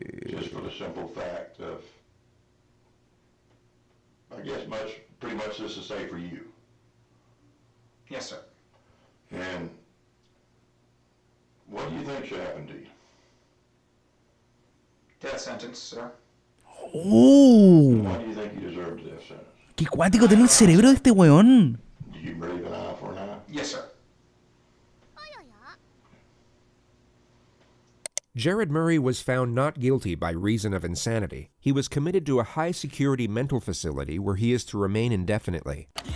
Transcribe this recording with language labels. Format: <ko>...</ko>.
<en>Just for the simple fact of, I guess, pretty much this is safe for you. Yes, sir. And... What do you think should happen to you? Death sentence, sir. Ooh. Why do you think you deserve a death sentence?</en> <es>Qué cuático tiene el cerebro de este weón.</es> <en>Do you believe an eye for an eye? Yes, sir. Jared Murray was found not guilty by reason of insanity. He was committed to a high-security mental facility where he is to remain indefinitely.</en>